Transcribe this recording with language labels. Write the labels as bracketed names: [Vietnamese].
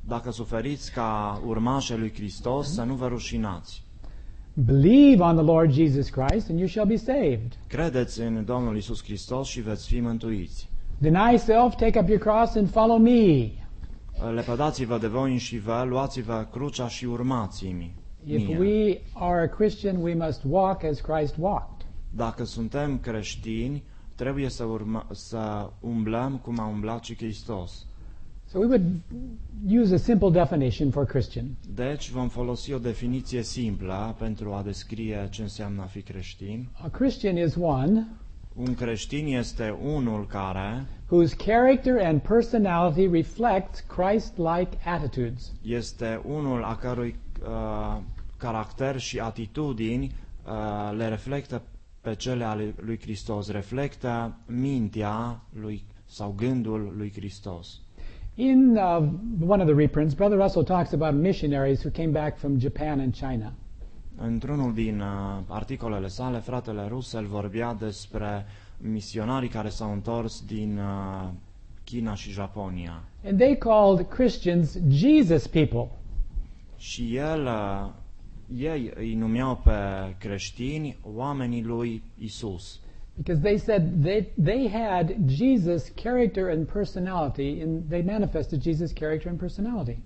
[Romanian] Dacă suferiți ca urmașii lui Hristos, să nu vă rușinați. [English] Believe on the Lord Jesus Christ and you shall be saved. [Romanian] Credeți în Domnul Iisus Hristos și veți fi mântuiți. [English] Deny self, take up your cross and follow me. [Romanian] Lepădați-vă de voi înși vă, luați-vă crucea și urmați-mi. [English] If we are a Christian, we must walk as Christ walked. [Romanian] Dacă suntem creștini, trebuie să să umblăm cum a umblat și Hristos. [English] So we would use a simple definition for Christian. [Romanian] Deci vom folosi o definiție simplă pentru a descrie ce înseamnă a fi creștin. [English] A Christian is one. [Romanian] Un creștin este unul care [English] whose character and personality reflect Christ-like attitudes. [Romanian] Este unul a cărui caracter și atitudini le reflectă pe cele ale lui Hristos, reflectă mintea lui sau gândul lui Hristos. [English] In one of the reprints, Brother Russell talks about missionaries who came back from Japan and China. [Romanian] Într-unul din articolele sale, fratele Russell vorbea despre misionarii care s-au întors din China și Japonia. [English] And they called Christians Jesus people. [Romanian] Și ei îi numeau pe creștini oamenii lui Isus. [English] Because they said they had Jesus character and personality, and they manifested Jesus character and personality.